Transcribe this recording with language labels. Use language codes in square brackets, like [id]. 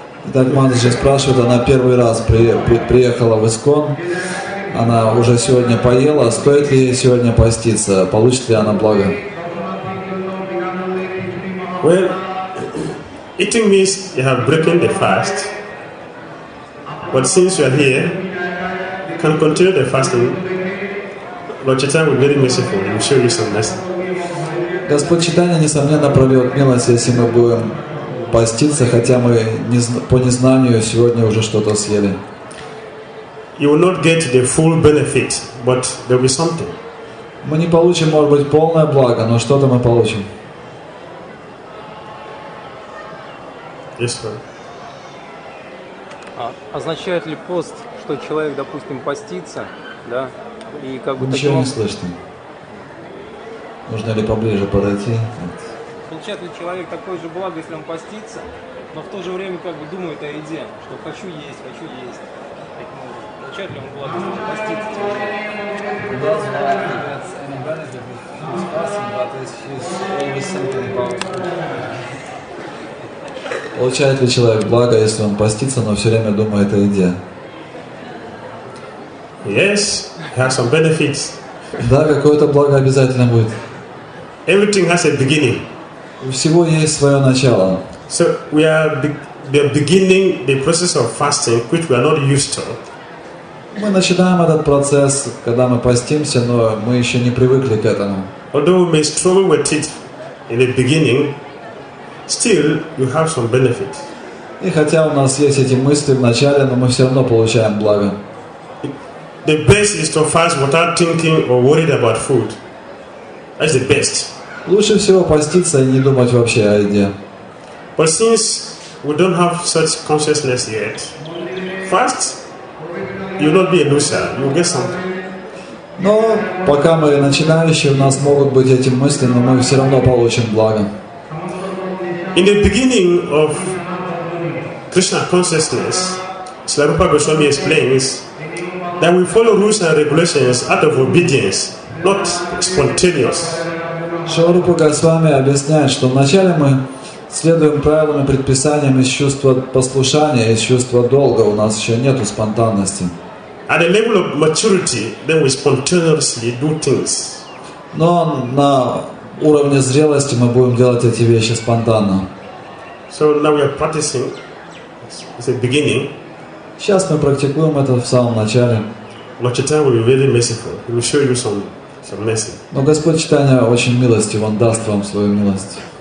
[ru] Итак, Мадхаджи спрашивает, она первый раз приехала в Искон, она уже сегодня поела, стоит ли ей сегодня поститься, получит ли она благо? [en] Well, eating means you have broken the fast, but since you are here, you can continue the fasting. Lord Chaitanya will be very merciful and show you some lesson. [ru] Господь Чайтанья, несомненно, прольет милость, если мы будем поститься, хотя мы по незнанию сегодня уже что-то съели. [en] You will not get the full benefit, but there will be something. [ru] Мы не получим, может быть, полное благо, но что-то мы получим. [en] Yes, sir. [ru] Означает ли пост, что человек, допустим, постится, да, и как бы ничего таким... не слышно. Нужно ли поближе подойти? Получает ли человек такое же благо, если он постится, но в то же время как бы думает о еде, что хочу есть, хочу есть. Получает ли он благо, если он постится? [en] He doesn't have any benefit. [ru] Получает ли человек благо, если он постится, но все время думает о еде? [en] Yes, has some benefits. [ru] Да, какое-то благо обязательно будет. [en] Everything has a beginning. [ru] У всего есть свое начало. [en] So we are beginning the process of fasting, which we are not used to. [ru] Мы начинаем этот процесс, когда мы постимся, но мы еще не привыкли к этому. [en] Although we may struggle with it in the beginning, still you have some benefit. [ru] И хотя у нас есть эти мысли в начале, но мы все равно получаем благо. [en] The best is to fast without thinking or worried about food. That's the best. [ru] Лучше всего поститься и не думать вообще о еде. [en] But since we don't have such consciousness yet, fast, you'll not be a loser. You'll get something. [ru] Но пока мы начинающие, у нас могут быть эти мысли, но мы все равно получим благо. [en] In the beginning of Krishna consciousness, Srila Rupa Goswami explains that we follow rules and regulations out of obedience, not spontaneous. [ru] Srila Rupa Goswami объясняет, что вначале мы следуем правилам и предписаниям из чувства послушания, из чувства долга. У нас еще нету спонтанности. [en] At the level of maturity, then we spontaneously do things. [ru] Но на уровне зрелости мы будем делать эти вещи спонтанно. [en] So now we are practicing. It's a beginning. [ru] Сейчас мы практикуем это в самом начале. [en] Lord Chaitanya will be very merciful. He will show you some mercy. [ru] Но Господь Читания очень милостив. Он даст вам свою милость.